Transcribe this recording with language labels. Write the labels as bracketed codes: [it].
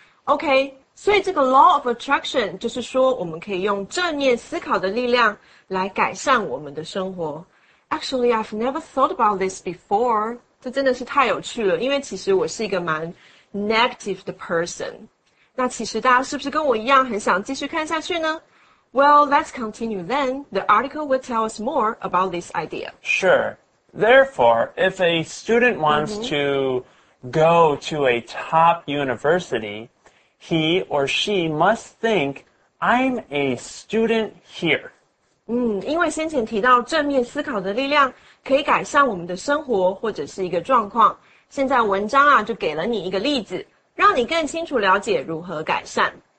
[zh] Okay. 所以这个 law of attraction 就是说我们可以用正念思考的力量来改善我们的生活。 [en] Actually, I've never thought about this before. [zh] 这真的是太有趣了，因为其实我是一个蛮 negative 的 person. 那其实大家是不是跟我一样很想继续看下去呢？ [en] Well, let's continue then. The article will tell us more about this idea. Sure. Therefore, if a student wants to go to a top university... He or she must think, I'm a student here. [zh] 因为先前提到正面思考的力量可以改善我们的生活或者是一个状况。现在文章啊就给了你一个例子，让你更清楚了解如何改善。